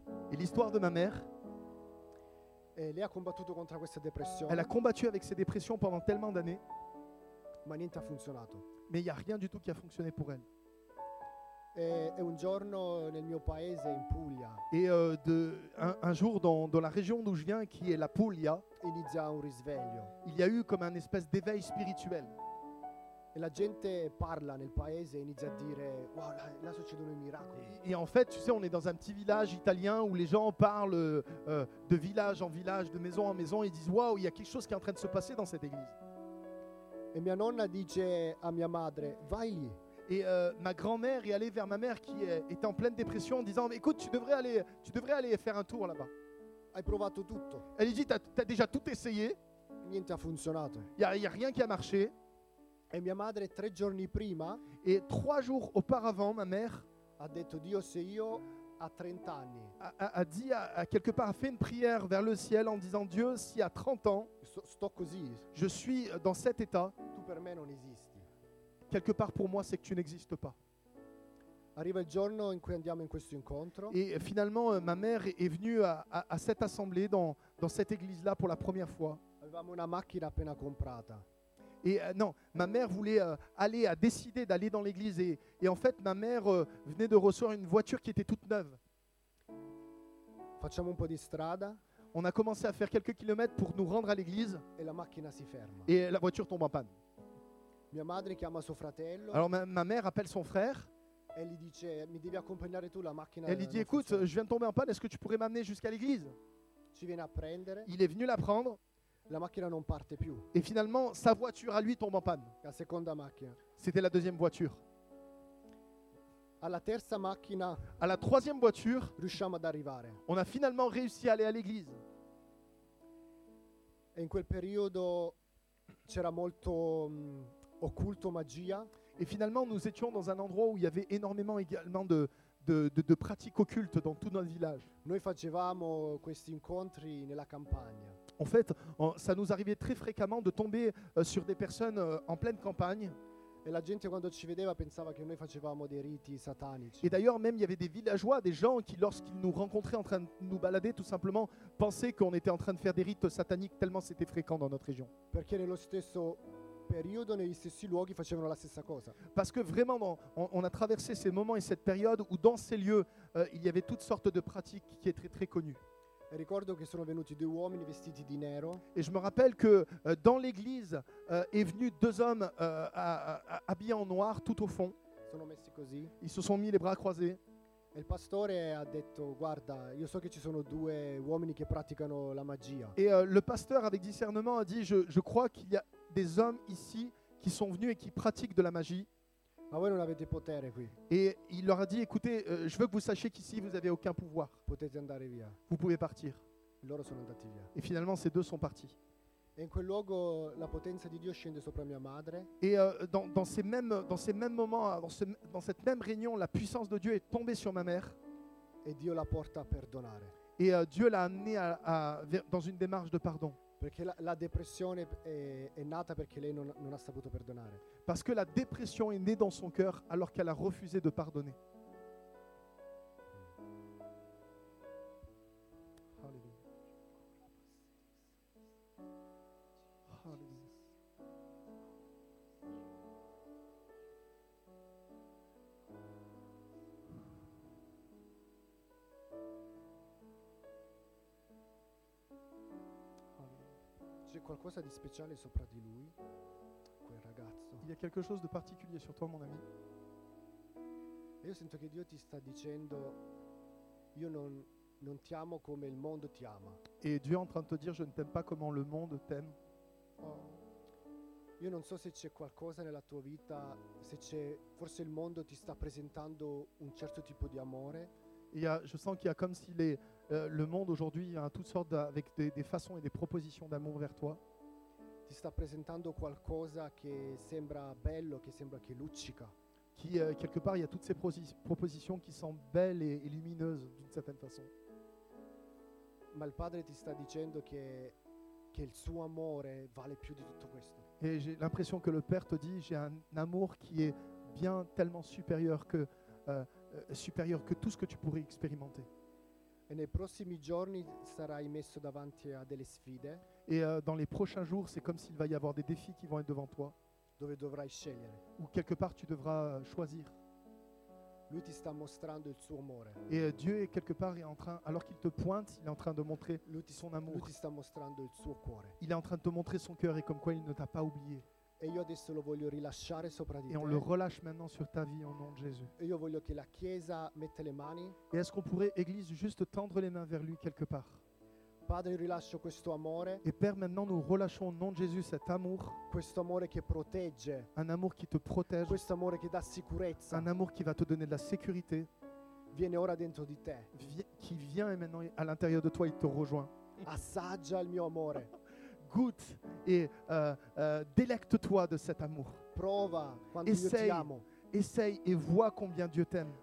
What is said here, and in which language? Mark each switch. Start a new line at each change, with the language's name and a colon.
French: Et l'histoire de ma mère.
Italian: Lei ha combattuto contro questa depressione.
French: Elle a combattu avec ses dépressions pendant tellement d'années.
Italian: Ma niente ha funzionato.
French: Mais il n'y a rien du tout qui a fonctionné pour elle.
Italian: E un giorno nel mio paese, in Puglia.
French: Un jour dans la région d'où je viens, qui est la Puglia.
Italian: Inizia un risveglio.
French: Il y a eu comme un espèce d'éveil spirituel.
Italian: E la gente parla nel paese e inizia a dire wow, là succedono i miracoli.
French: Et en fait, tu sais, on est dans un petit village italien où les gens parlent de village en village, de maison en maison et disent waouh, il y a quelque chose qui est en train de se passer dans cette église.
Italian: E mia nonna dice a mia madre, vai lì.
French: Ma grand-mère est allée vers ma mère qui est en pleine dépression en disant écoute, tu devrais aller faire un tour là-bas.
Italian: Hai provato tutto.
French: Elle dit t'as déjà tout essayé.
Italian: Niente ha funzionato.
French: Il y a rien qui a marché.
Italian: Et mia madre tre giorni prima
French: et trois jours auparavant ma mère
Italian: a detto Dio se io a 30 anni
French: a dit a quelque part a fait une prière vers le ciel en disant Dieu si à 30 ans
Italian: sto così,
French: je suis dans cet état
Italian: tu per me non esisti.
French: Quelque part pour moi c'est que tu n'existes pas.
Italian: Arriva il giorno in cui andiamo in questo incontro.
French: Et finalement ma mère est venue à cette assemblée dans cette église là pour la première fois.
Italian: Avevamo una macchina appena comprata.
French: Et non, ma mère voulait aller, a décidé d'aller dans l'église. Et en fait, ma mère venait de recevoir une voiture qui était toute neuve.
Italian: Facciamo un po' di strada.
French: On a commencé à faire quelques kilomètres pour nous rendre à l'église.
Italian: Et la macchina si ferma.
French: Et la voiture tombe en panne.
Italian: Mia madre chiama suo fratello.
French: Alors ma mère appelle son frère. Elle lui
Italian: dice, mi devi accompagnare tu la macchina.
French: Elle lui dit, écoute, je viens de tomber en panne, est-ce que tu pourrais m'amener jusqu'à l'église?
Italian: Ci viene a prendere.
French: Il est venu la prendre.
Italian: La macchina non parte più.
French: Et finalement, sa voiture à lui tombe en panne.
Italian: La seconda macchina.
French: C'était la deuxième voiture.
Italian: Alla terza macchina.
French: À la troisième voiture.
Italian: Riusciamo ad arrivare.
French: On a finalement réussi à aller à l'église.
Italian: E in quel periodo c'era molto occulto magia.
French: Et finalement, nous étions dans un endroit où il y avait énormément également de pratiques occultes dans tout notre village.
Italian: Noi facevamo questi incontri nella campagna.
French: En fait, ça nous arrivait très fréquemment de tomber sur des personnes en pleine campagne.
Italian: Et la gente quando ci vedeva pensava che noi facevamo dei riti satanici.
French: Et d'ailleurs, même il y avait des villageois, des gens qui, lorsqu'ils nous rencontraient en train de nous balader, tout simplement, pensaient qu'on était en train de faire des rites sataniques tellement c'était fréquent dans notre région.
Italian: Perché nello stesso periodo, negli stessi luoghi, facevano la stessa cosa.
French: Parce que vraiment, on a traversé ces moments et cette période où dans ces lieux, il y avait toutes sortes de pratiques qui étaient très, très connues.
Italian: Ricordo che sono venuti due uomini vestiti di nero.
French: Et je me rappelle que dans l'église est venu deux hommes habillés en noir tout au fond.
Italian: Sono messi così.
French: Ils se sont mis les bras croisés.
Italian: Il pastore ha detto guarda, io so che ci sono due uomini che praticano la magia.
French: Et le pasteur avec discernement a dit je crois qu'il y a des hommes ici qui sont venus et qui pratiquent de la magie.
Italian: Ma voi non avete potere qui.
French: Et il leur a dit, écoutez, je veux que vous sachiez qu'ici, vous n'avez aucun pouvoir.
Italian: Potete andare via.
French: Vous pouvez partir.
Italian: Loro sono andati via.
French: Et finalement, ces deux sont partis.
Italian: Et in quel luogo, la potenza di Dio scende sopra mia madre.
French: Et dans cette même réunion, la puissance de Dieu est tombée sur ma mère.
Italian: Et Dio la porta a perdonare.
French: Et Dieu l'a amenée dans une démarche de pardon.
Italian: Perché la depressione è nata perché lei non ha saputo perdonare.
French: Parce que la dépression est née dans son cœur alors qu'elle a refusé de pardonner.
Italian: Qualcosa di speciale sopra di lui, quel ragazzo.
French: Il y a quelque chose de particulier sur toi, mon ami.
Italian: E io sento che Dio ti sta dicendo, io non ti amo come il mondo ti ama.
French: Et Dieu est en train de te dire, je ne t'aime pas comme le monde t'aime. Oh.
Italian: Io non so se c'è qualcosa nella tua vita, se c'è forse il mondo ti sta presentando un certo tipo di amore.
French: Je sens qu'il y a comme si le monde aujourd'hui a toutes sortes avec des façons et des propositions d'amour vers toi.
Italian: Ti sta presentando qualcosa che sembra bello, che sembra che luccica.
French: Qui quelque part il y a toutes ces propositions qui sont belles et lumineuses d'une certaine façon.
Italian: Ma il padre ti sta dicendo che il suo amore vale più di tutto questo.
French: Et j'ai l'impression que le Père te dit j'ai un amour qui est bien tellement supérieur que supérieur que tout ce que tu pourrais expérimenter.
Italian: E nei prossimi giorni sarai messo davanti a delle sfide.
French: Et dans les prochains jours, c'est comme s'il va y avoir des défis qui vont être devant toi.
Italian: Dove dovrai scegliere.
French: Ou quelque part tu devras choisir.
Italian: Lui ti sta mostrando il suo amore.
French: Et Dieu est quelque part est en train alors qu'il te pointe, il est en train de montrer son amour.
Italian: Lui ti sta mostrando il suo cuore.
French: Il est en train de te montrer son cœur et comme quoi il ne t'a pas oublié.
Italian: E io adesso lo voglio rilasciare sopra di te.
French: Et on le relâche maintenant sur ta vie au nom de Jésus.
Italian: E io voglio che la chiesa mette le mani.
French: Et est-ce qu'on pourrait, Église, juste tendre les mains vers lui quelque part?
Italian: Padre, rilascio questo amore.
French: Et Père, maintenant nous relâchons au nom de Jésus cet amour.
Italian: Questo amore che protegge.
French: Un amour qui te protège.
Italian: Questo amore che dà sicurezza.
French: Un amour qui va te donner de la sécurité.
Italian: Viene ora dentro di te.
French: Qui vient maintenant à l'intérieur de toi, il te rejoint.
Italian: Assaggia il mio amore.
French: goûte et délecte-toi de cet amour.
Italian: Prova quando
French: essaye,
Italian: io ti amo.
French: Essaye et vois combien Dieu t'aime.